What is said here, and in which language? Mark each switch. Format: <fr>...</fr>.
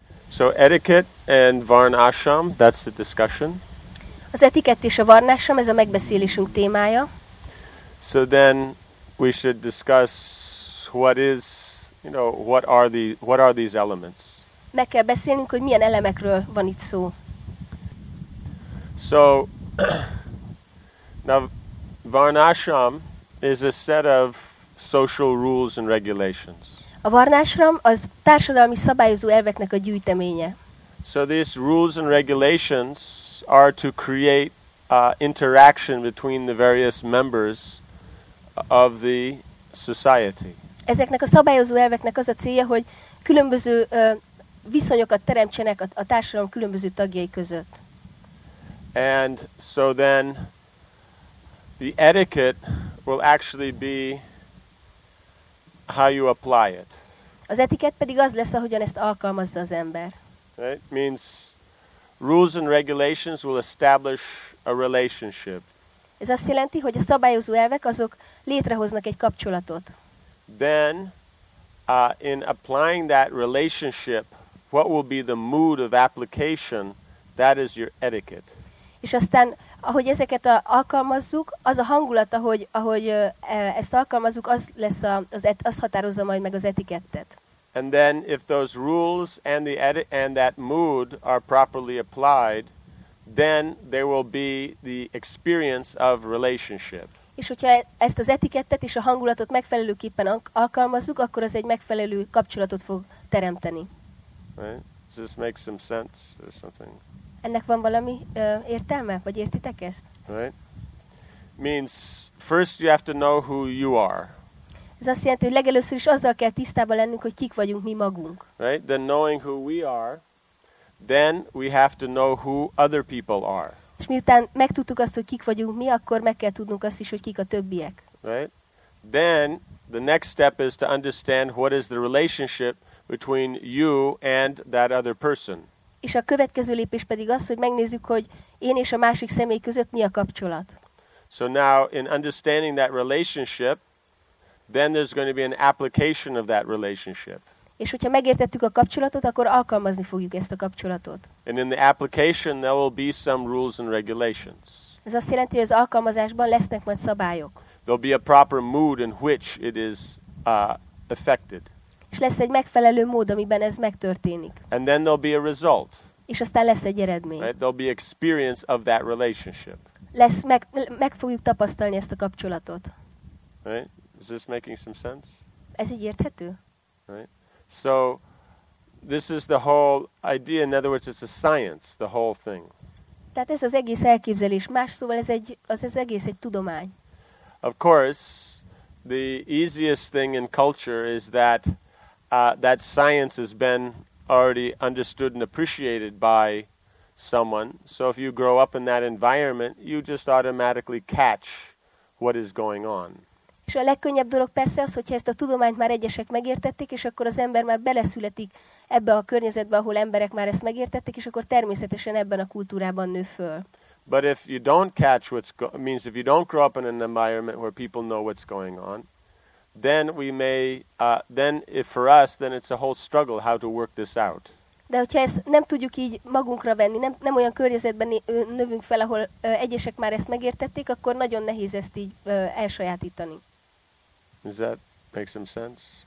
<en>So etiquette and varnashram, that's the discussion.</en> <hu>Az etikett és a varnashram, ez a megbeszélésünk témája.</hu> <en>So then we should discuss what is, you know, what are these elements?</en> <hu>Meg kell beszélnünk, hogy milyen elemekről van itt szó.</hu> <en>So now varnashram is a set of social rules and regulations.</en> <hu>A varnashram az társadalmi szabályozó elveknek a gyűjteménye.</hu> <en>So these rules and regulations are to create interaction between the various members of the society.</en> <hu>Ezeknek a szabályozó elveknek az a célja, hogy különböző viszonyokat teremtsenek a társadalom különböző tagjai között.</hu> <en>And so then the etiquette will actually be how you apply it.</en> <hu>Az etikett pedig az lesz, ahogyan ezt alkalmazza az ember.</hu> <en>Right? Means rules and regulations will establish a relationship.</en> <hu>Ez azt jelenti, hogy a szabályozó elvek azok létrehoznak egy kapcsolatot.</hu> <en>Then, in applying that relationship, what will be the mood of application? That is your etiquette.</en> <hu>És aztán, ahogy ezeket alkalmazzuk, az a hangulat, ahogy ezt alkalmazzuk, az lesz az határozza majd meg az etikettet.</hu> <en>And then if those rules and that mood are properly applied, then there will be the experience of relationship.</en> <hu>És hogyha ezt az etikettet és a hangulatot megfelelőképpen alkalmazzuk, akkor az egy megfelelő kapcsolatot fog teremteni.</hu> <en>Right? Does this make some sense or something?</en> <hu>Ennek van valami értelme? Vagy értitek ezt?</hu> <en>Right. Means first you have to know who you are.</en> <hu>Ez azt jelenti, hogy legelőször is azzal kell tisztában lennünk, hogy kik vagyunk mi magunk.</hu> <en>Right? Then knowing who we are, then we have to know who other people are.</en> <hu>És miután megtudtuk azt, hogy kik vagyunk mi, akkor meg kell tudnunk azt is, hogy kik a többiek.</hu> <en>Right? Then the next step is to understand what is the relationship between you and that other person.</en> <hu>És a következő lépés pedig az, hogy megnézzük, hogy én és a másik személy között mi a kapcsolat.</hu> <en>So now in understanding that relationship, then there's going to be an application of that relationship.</en> <hu>És hogyha megértettük a kapcsolatot, akkor alkalmazni fogjuk ezt a kapcsolatot.</hu> <en>And in the application there will be some rules and regulations.</en> <hu>Ez azt jelenti, hogy az alkalmazásban lesznek majd szabályok.</hu> <en>There'll be a proper mood in which it is affected.</en> <hu>És lesz egy megfelelő mód, amiben ez megtörténik.</hu> <en>And then there'll be a result. És aztán lesz egy eredmény. Right? There'll be experience of that relationship.</en> <hu>Lesz meg fogjuk tapasztalni ezt a kapcsolatot.</hu> <en>Right? Is this making some sense?</en> <hu>Ez így érthető?</hu> <en>Right. So this is the whole idea. In other words, it's a science, the whole thing.</en> <hu>Tehát ez az egész elképzelés. Más szóval ez egész egy tudomány.</hu> <en>Of course, the easiest thing in culture is that that science has been already understood and appreciated by someone. So if you grow up in that environment, you just automatically catch what is going on.</en> <hu>És a legkönnyebb dolog persze az, hogyha ezt a tudományt már egyesek megértették, és akkor az ember már beleszületik ebbe a környezetbe, ahol emberek már ezt megértették, és akkor természetesen ebben a kultúrában nő föl.</hu> <en>But if you don't catch what's means if you don't grow up in an environment where people know what's going on, then we may then if for us then it's a whole struggle how to work this out.</en> <hu>De hogyha ezt nem tudjuk így magunkra venni, nem olyan környezetben növünk fel, ahol egyesek már ezt megértették, akkor nagyon nehéz ezt így elsajátítani.</hu> <en>Does that make some sense?</en>